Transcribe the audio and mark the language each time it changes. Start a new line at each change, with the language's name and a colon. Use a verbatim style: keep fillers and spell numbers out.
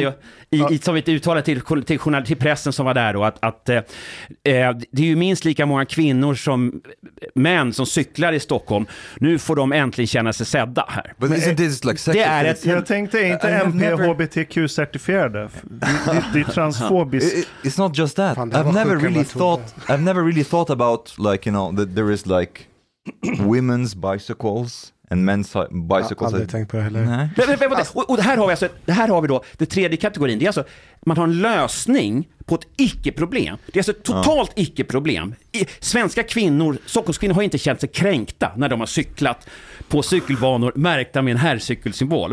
Swedish: det i, ja. i, som ett uttalande till, till, journal, till pressen som var där då, att, att eh, det är ju minst lika många kvinnor som män som cyklar i Stockholm. Nu får de äntligen känna sig sedda här.
English: But isn't this like
Swedish: det är ett, jag tänkte inte M P H B T Q-certifierade. Det är transfobiskt.
English: It's not just that. Fan, I've never really thought I've never really thought about, like, you know, that there is like women's bicycles and men's bicycles.
Swedish: Jag har aldrig tänkt på det heller. Och, och det här har vi alltså, det här har vi då, det tredje kategorin, det är alltså, man har en lösning på ett icke-problem. Det är alltså ett totalt ja. icke-problem. I, svenska kvinnor, Stockholmskvinnor har inte känt sig kränkta när de har cyklat på cykelbanor märkta med en herrcykelsymbol.